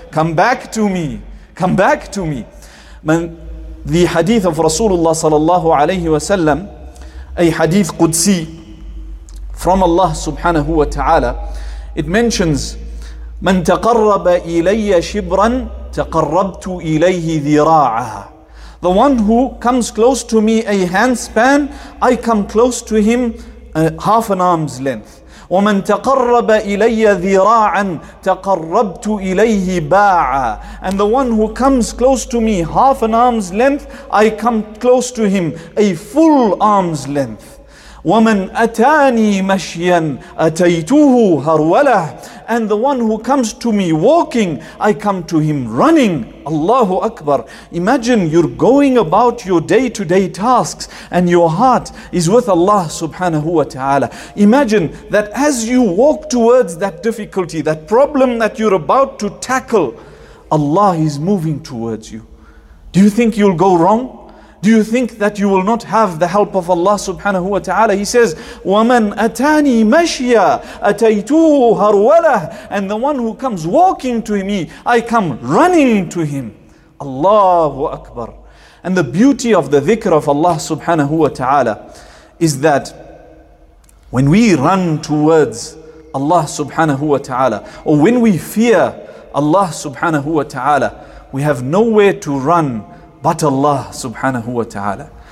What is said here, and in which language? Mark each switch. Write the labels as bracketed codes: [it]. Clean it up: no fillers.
[en] Come back to me. Come back to me. The hadith of Rasulullah sallallahu alayhi wa sallam, a hadith Qudsi from Allah subhanahu wa ta'ala, it mentions, [ar] من تقرب إلي شبرا تقربت إليه ذراعا. [en] The one who comes close to me a handspan, I come close to him half an arm's length. [ar] ومن تقرب إلي ذراعا تقربت إليه باعا. [en] And the one who comes close to me half an arm's length, I come close to him a full arm's length. [ar] ومن أتاني مشيا أتيته هرولة. [en] And the one who comes to me walking, I come to him running. Allahu Akbar. Imagine you're going about your day-to-day tasks and your heart is with Allah subhanahu wa ta'ala. Imagine that as you walk towards that difficulty, that problem that you're about to tackle, Allah is moving towards you. Do you think you'll go wrong? Do you think that you will not have the help of Allah subhanahu wa ta'ala? He says, [ar] وَمَنْ أَتَانِي مَشْيَا أَتَيْتُهُ هَرْوَلَهُ. [en] And the one who comes walking to me, I come running to him. Allahu Akbar. And the beauty of the dhikr of Allah subhanahu wa ta'ala is that when we run towards Allah subhanahu wa ta'ala, or when we fear Allah subhanahu wa ta'ala, we have nowhere to run but Allah subhanahu wa ta'ala.